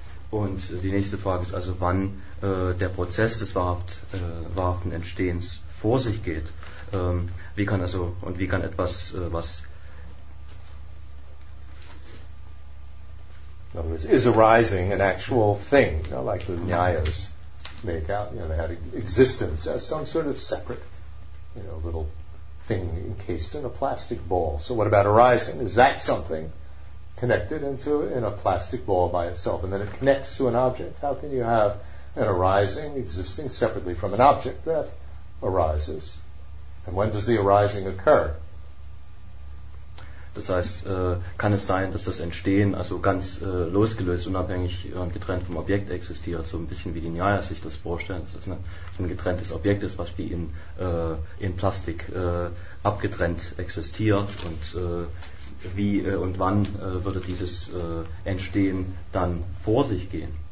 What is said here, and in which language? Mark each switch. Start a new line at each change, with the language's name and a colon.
German: Und die nächste Frage ist also, wann der Prozess des wahrhaften Entstehens vor sich geht.
English: In other words, is arising an actual thing, you know, like the Nyayas make out, you know, they had existence as some sort of separate, you know, little thing encased in a plastic ball. So what about arising? Is that something connected into in a plastic ball by itself, and then it connects to an object? How can you have an arising existing separately from an object that arises? And when does the arising occur?
German: Das heißt, kann es sein, dass das Entstehen also ganz losgelöst, unabhängig und getrennt vom Objekt existiert, so ein bisschen wie die Nyayas sich das vorstellen, dass das ein getrenntes Objekt ist, was wie in Plastik abgetrennt existiert, und wie und wann würde dieses Entstehen dann vor sich gehen?